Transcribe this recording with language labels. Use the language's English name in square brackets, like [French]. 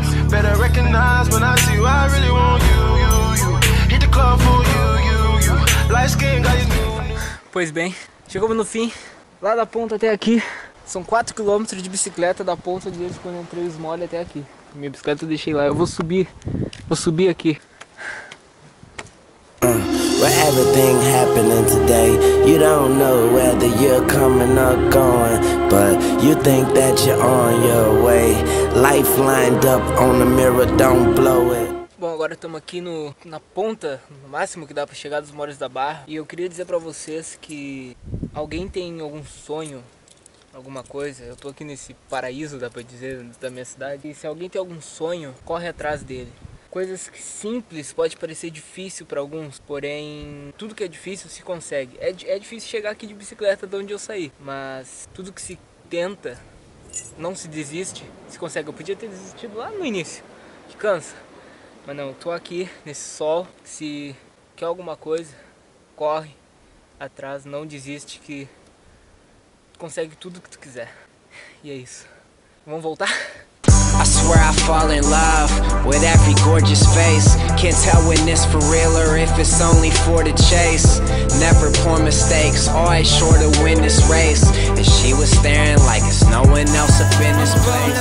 [English] Better recognize when I see you. I really want you, you, you. Hit the club for you, you, you. Light skin, got you new. [Portuguese] Pois bem, chegamos no fim. Lá da ponta até aqui são 4 km de bicicleta, da ponta desde quando eu entrei os mole até aqui. Minha bicicleta eu deixei lá, eu vou subir. Vou subir aqui. [English] Where everything happening today, you don't know whether you're coming or going, but you think that you're on your way. Life lined up on the mirror, don't blow it. [Portuguese] Bom, agora estamos aqui na ponta, no máximo que dá para chegar dos moles da Barra. E eu queria dizer para vocês que alguém tem algum sonho, alguma coisa? Eu tô aqui nesse paraíso, dá para dizer, da minha cidade. E se alguém tem algum sonho, corre atrás dele. Coisas que simples pode parecer difícil para alguns, porém tudo que é difícil se consegue. É difícil chegar aqui de bicicleta de onde eu saí, mas tudo que se tenta, não se desiste, se consegue. Eu podia ter desistido lá no início, que cansa, mas não, tô aqui nesse sol. Se quer alguma coisa, corre atrás, não desiste, que consegue tudo que tu quiser. E é isso, vamos voltar? [English] I swear I fall in love with every gorgeous face. Can't tell when it's for real or if it's only for the chase. Never poor mistakes, always sure to win this race. And she was staring like it's no one else up in this place.